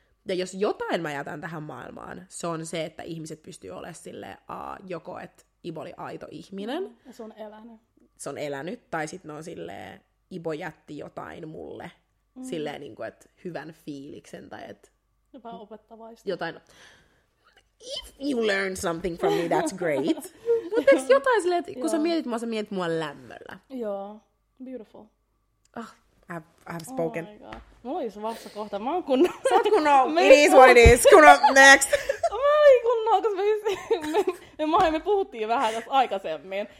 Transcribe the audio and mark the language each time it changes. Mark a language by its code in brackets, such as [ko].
[fi] Ja jos jotain mä jätän tähän maailmaan, se on se, että ihmiset pystyy olemaan silleen, joko että Ibo oli aito ihminen. Ja se on elänyt. Se on elänyt, tai sit ne on silleen, Ibo jätti jotain mulle silleen niin kuin, että hyvän fiiliksen tai että... Jopa opettavaista. Jotain. [en] If you learn something from me, that's great. [fi] Mutta eikö jotain silleen, että kun sä mietit mua lämmöllä. Joo. Beautiful. [en] Oh, I've spoken. Oh my god. [fi] Mulla olisi vasta kohta. Mä oon kunnon. Sä oot kunnon. [en] It is what it is. Kunnon next. [fi] Mä olin kunnon, koska me puhuttiin vähän tässä aikaisemmin.